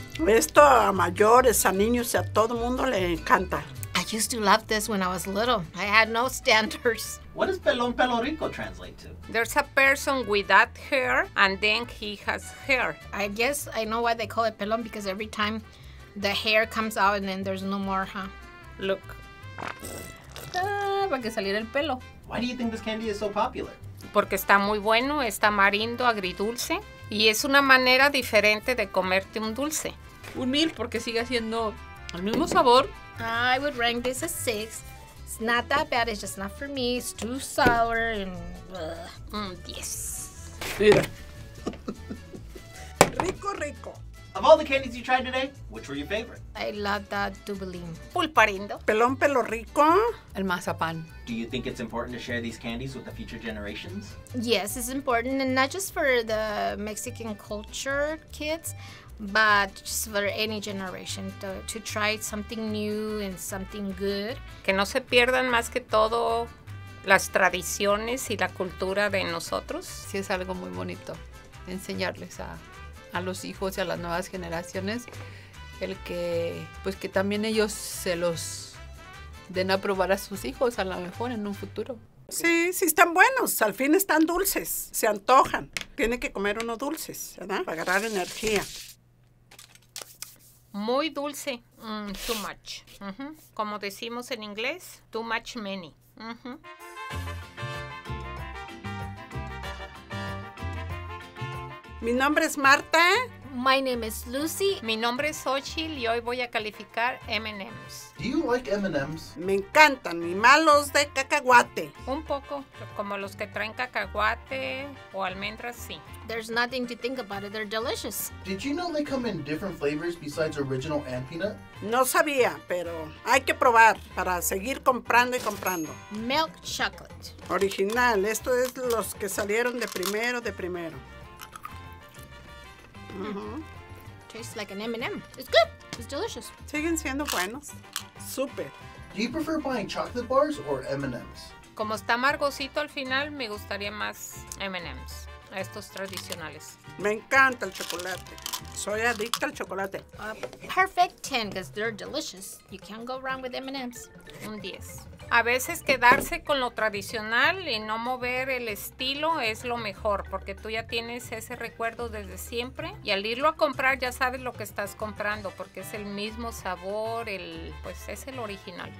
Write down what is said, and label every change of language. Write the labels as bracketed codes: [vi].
[es] Esto a mayores, a niños, a todo mundo le encanta. [en] I used to love this when I was little. I had no standards. What does pelón pelo rico translate to? There's a person without hair, and then he has hair. I guess I know why they call it pelón, because every time the hair comes out, and then there's no more, huh? Look. [es] Para que saliera el pelo. [en] Why do you think this candy is so popular? [es] Porque está muy bueno, está tamarindo, agridulce, y es una manera diferente de comerte un dulce. Un mil, porque sigue siendo el mismo sabor. [en] I would rank this a 6. It's not that bad, it's just not for me. It's too sour and ugh. Yes. [es] Mira. Rico, rico. [en] Of all the candies you tried today, which were your favorite? I love that tubulín. [es] Pulparindo. Pelón, pelo rico. El mazapán. [en] Do you think it's important to share these candies with the future generations? Yes, it's important, and not just for the Mexican culture kids, but just for any generation to try something new and something good. [es] Que no se pierdan más que todo las tradiciones y la cultura de nosotros. Sí, es algo muy bonito enseñarles a los hijos y a las nuevas generaciones el que, pues que también ellos se los den a probar a sus hijos a lo mejor en un futuro. Sí, sí están buenos. Al fin están dulces. Se antojan. Tiene que comer uno dulces, ¿verdad? Para agarrar energía. Muy dulce, [en] too much. [es] Uh-huh. Como decimos en inglés, [en] too much many. [es] Uh-huh. Mi nombre es Marta. [en] My name is Lucy. [es] Mi nombre es Xochitl y hoy voy a calificar M&M's. [en] Do you like M&M's? [es] Me encantan, y más los de cacahuate. Un poco, como los que traen cacahuate o almendras, sí. [en] There's nothing to think about it, they're delicious. Did you know they come in different flavors besides original and peanut? [es] No sabía, pero hay que probar para seguir comprando y comprando. [en] Milk chocolate. [es] Original, esto es los que salieron de primero. [en] Mm-hmm. Tastes like an M&M. It's good. It's delicious. [es] Siguen siendo buenos. Super. [en] Do you prefer buying chocolate bars or M&M's? [es] Como está amargosito al final, me gustaría más M&M's. Estos tradicionales. Me encanta el chocolate. Soy adicta al chocolate. [en] A perfect 10, because they're delicious. You can't go wrong with M&M's. [es] Un 10. A veces quedarse con lo tradicional y no mover el estilo es lo mejor, porque tú ya tienes ese recuerdo desde siempre y al irlo a comprar ya sabes lo que estás comprando, porque es el mismo sabor, pues es el original.